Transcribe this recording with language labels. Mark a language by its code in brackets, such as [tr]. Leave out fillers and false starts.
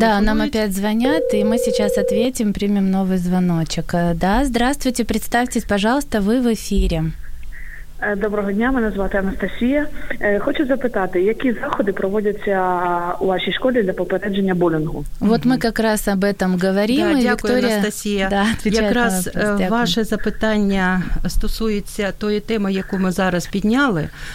[uk] Да, [ru] нам опять [uk] дзвонят, і ми зараз відповімо, приймемо новий дзвоночок. [ru] Да, здравствуйте, представьтесь, пожалуйста, [uk] ви в ефірі. Доброго дня, мене звати Анастасія. Хочу запитати, які заходи проводяться у вашій школі для попередження булінгу? От ми якраз [ru] об этом [uk] говоримо. Да, дякую, Вікторія... Анастасія. Да, якраз ваше запитання стосується тої теми, яку ми зараз підняли.